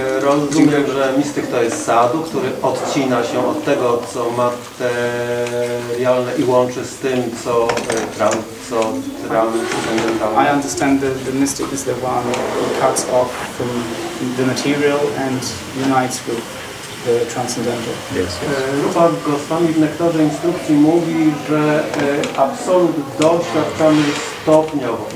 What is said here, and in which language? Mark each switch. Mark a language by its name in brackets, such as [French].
[Polish] Rozumiem, że mistyk to jest sadhu, który odcina się od tego, co materialne i łączy z tym, co transcendentalne. [English] I understand that the mystic is the one who cuts off from the material and unites with the transcendental. Yes, yes. [Polish] Rupa Goswami w Nektarze Instrukcji mówi, że absolut doświadczamy stopniowo.